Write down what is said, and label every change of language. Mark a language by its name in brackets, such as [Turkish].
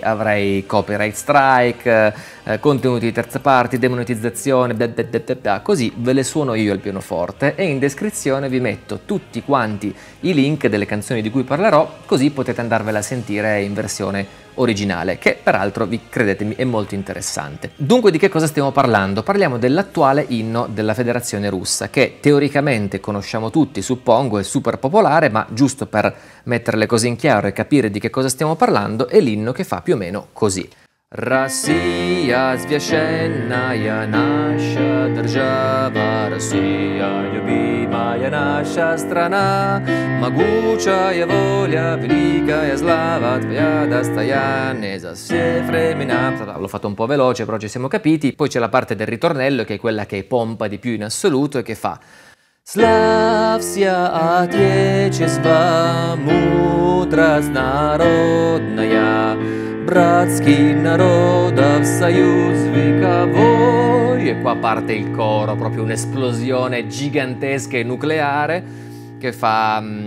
[Italian] Avrei copyright strike, contenuti di terza parte, demonetizzazione, così ve le suono io al pianoforte e in descrizione vi metto tutti quanti i link delle canzoni di cui parlerò, così potete andarvela a sentire in versione originale, che peraltro, vi credetemi, è molto interessante. Dunque, di che cosa stiamo parlando? Parliamo dell'attuale inno della Federazione Russa, che teoricamente conosciamo tutti, suppongo, è super popolare, ma giusto per mettere le cose in chiaro e capire di che cosa stiamo parlando, è l'inno che fa più o meno così. [Russian] Россия священная наша держава, Россия любимая наша страна, могучая воля, великая слава твоя достояние за все времена. [Italian] L'ho fatto un po' veloce, però ci siamo capiti. Poi c'è la parte del ritornello, che è quella che pompa di più in assoluto e che fa [Russian] Славься отечество, мудрость народная. Братский народов союз вековой. [Italian] E qua parte il coro, proprio un'esplosione gigantesca e nucleare che fa